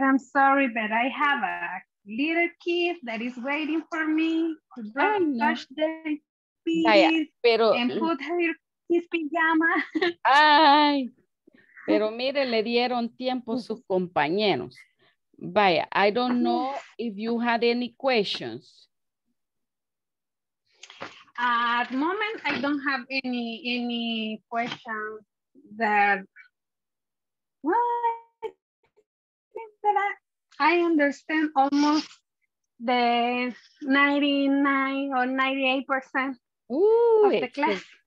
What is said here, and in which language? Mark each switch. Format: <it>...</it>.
<en>I'm sorry, but I have a little kid that is waiting for me to brush the teeth and put her his pijama.</en> <es>Ay, pero mire, le dieron tiempo a sus compañeros. Vaya,</es> <en>I don't know if you had any questions. At the moment, I don't have any questions that, well, I think that I understand almost the 99 or 98% of the class.</en>